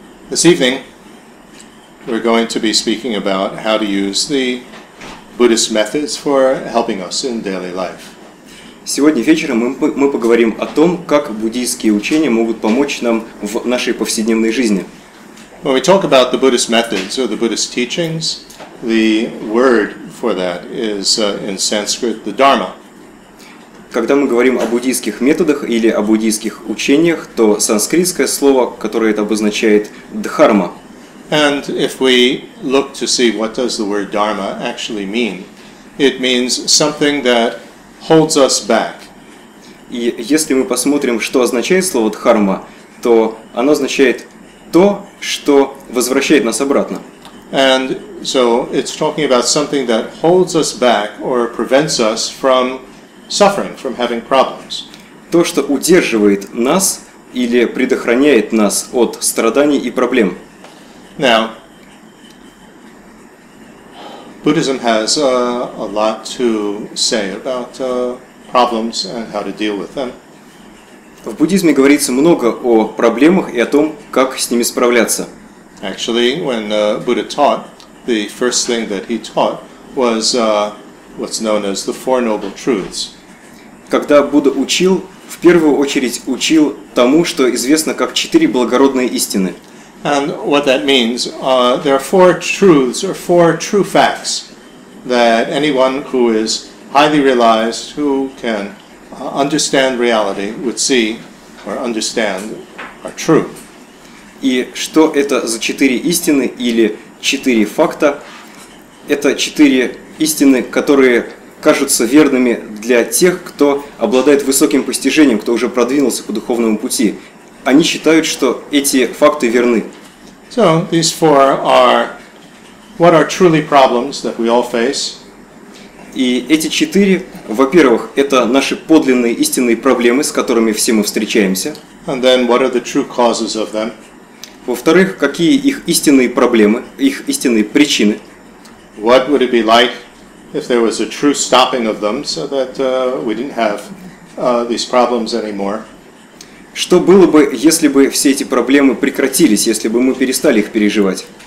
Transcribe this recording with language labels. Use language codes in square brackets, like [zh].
[en] This evening we're going to be speaking about how to use the Buddhist methods for helping us in daily life. [ru] Сегодня вечером мы поговорим о том, как буддийские учения могут помочь нам в нашей повседневной жизни. [en] When we talk about the Buddhist methods or the Buddhist teachings, the word for that is in Sanskrit the Dharma. [ru] Когда мы говорим о буддийских методах или о буддийских учениях, то санскритское слово, которое это обозначает, Дхарма. [en] And if we look to see what does the word Dharma actually mean, it means something that holds us back. [ru] И если мы посмотрим, что означает слово Дхарма, то оно означает то, что возвращает нас обратно. [en] And so it's talking about something that holds us back or prevents us from suffering, from having problems. [ru] То, что удерживает нас или предохраняет нас от страданий и проблем. [en] Now, Buddhism has a lot to say about problems and how to deal with them. [ru] В буддизме говорится много о проблемах и о том, как с ними справляться. [en] Actually, when Buddha taught, the first thing that he taught was what's known as the Four Noble Truths. [ru] Когда Будда учил, в первую очередь учил тому, что известно как четыре благородные истины. [en] And what that means, there are four truths or four true facts that anyone who is highly realized, who can understand reality, would see or understand are true. [ru] И что это за четыре истины или четыре факта? Это четыре истины, которые кажутся верными для тех, кто обладает высоким постижением, кто уже продвинулся по духовному пути. Они считают, что эти факты верны. [en] So these four are what are truly problems that we all face. [ru] И эти четыре, во-первых, это наши подлинные истинные проблемы, с которыми все мы встречаемся. [en] And then what are the true causes of them? [ru] Во-вторых, какие их истинные проблемы, их истинные причины? [en] What would it be like if there was a true stopping of them so that we didn't have these problems anymore? [ru] Что было бы, если бы все эти проблемы прекратились, если бы мы перестали их переживать?